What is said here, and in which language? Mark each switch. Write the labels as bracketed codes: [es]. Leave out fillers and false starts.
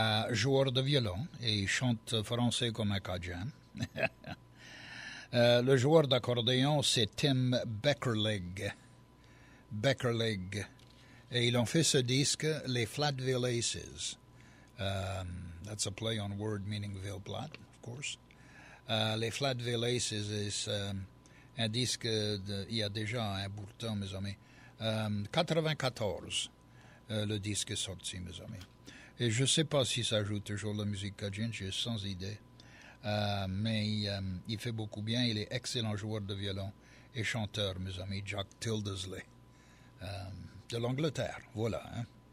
[fr] Joueur de violon, et il chante français comme un cajun. Le joueur d'accordéon, c'est Tim Beckerleg. Et ils ont fait ce disque, Les Flatville Aces. [en] That's a play on word meaning Ville Platte, of course. [fr] Les Flatville Aces, un disque, il y a déjà un bout de temps, mes amis, 94, le disque est sorti, mes amis. Et je ne sais pas si ça joue toujours la musique cajun, j'ai sans idée. Mais il fait beaucoup bien, il est excellent joueur de violon et chanteur, mes amis, Jack Tildesley, de l'Angleterre, voilà. Hein.